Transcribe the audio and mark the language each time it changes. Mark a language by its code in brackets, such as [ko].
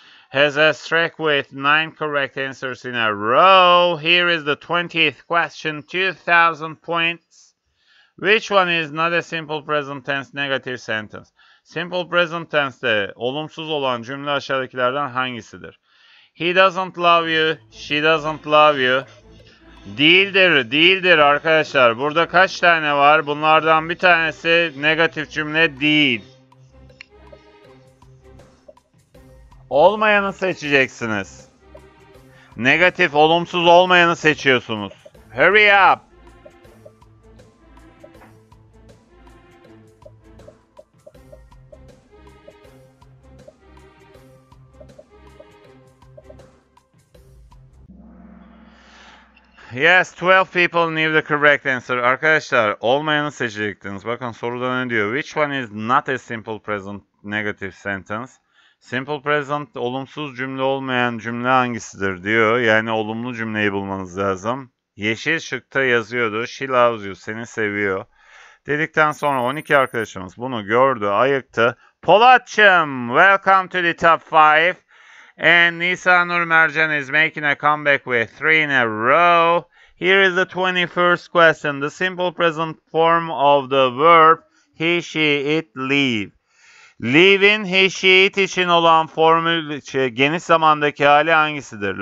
[en] Has a streak with 9 correct answers in a row. Here is the 20th question. 2000 points. Which one is not a simple present tense negative sentence? [tr] Simple present tense'de olumsuz olan cümle aşağıdakilerden hangisidir? [en] He doesn't love you. She doesn't love you. [tr] Değildir, değildir arkadaşlar. Burada kaç tane var? Bunlardan bir tanesi negatif cümle değil. Olmayanı seçeceksiniz. Negatif, olumsuz olmayanı seçiyorsunuz. [en] Hurry up! Yes, 12 people knew the correct answer. [tr] Arkadaşlar, olmayanı seçecektiniz. Bakın soruda ne diyor? [en] Which one is not a simple present negative sentence? [tr] Simple present, olumsuz cümle olmayan cümle hangisidir diyor. Yani olumlu cümleyi bulmanız lazım. Yeşil şıkta yazıyordu. [en] She loves you, [tr] seni seviyor. Dedikten sonra 12 arkadaşımız bunu gördü, ayıktı. [en] Polatçım, welcome to the top 5. And Nisa Nur Mercan is making a comeback with 3 in a row. Here is the 21st question. The simple present form of the verb he, she, it, leave. [tr] Leave'in he, she, it için olan formül geniş zamandaki hali hangisidir?